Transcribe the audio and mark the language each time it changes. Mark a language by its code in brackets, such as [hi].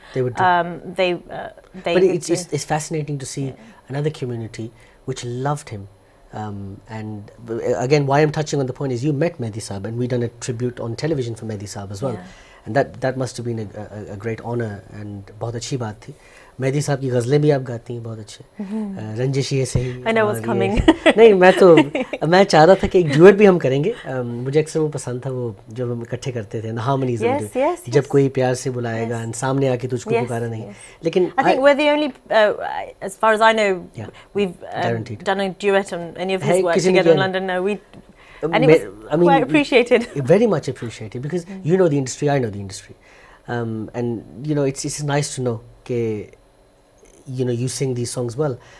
[en] they would do. It's fascinating to see another community which loved him. And again, why I'm touching on the point is you met Mehdi Saab, and we done a tribute on television for Mehdi Saab as well. Yeah. And that must have been a great honor and [hi] बहुत अच्छी बात थी. Mehdi साहब की गजलें भी आप गाती हैं बहुत अच्छे. रंजिशी है सही. [en] I know what's coming. [hi] नहीं मैं तो मैं चाह रहा था कि एक duet भी हम करेंगे. मुझे अक्सर वो पसंद था वो जो हम इकट्ठे करते थे. हाँ मनी जब [en] yes. [hi] कोई प्यार से बुलाएगा और सामने आके तुझको पुकारा नहीं. लेकिन [en] I think we're the only, as far as I know, we've done a duet on any of his work together in London. No, quite appreciated. Very much appreciated, because you know the industry, I know the industry, and you know it's nice to know that you know you sing these songs well.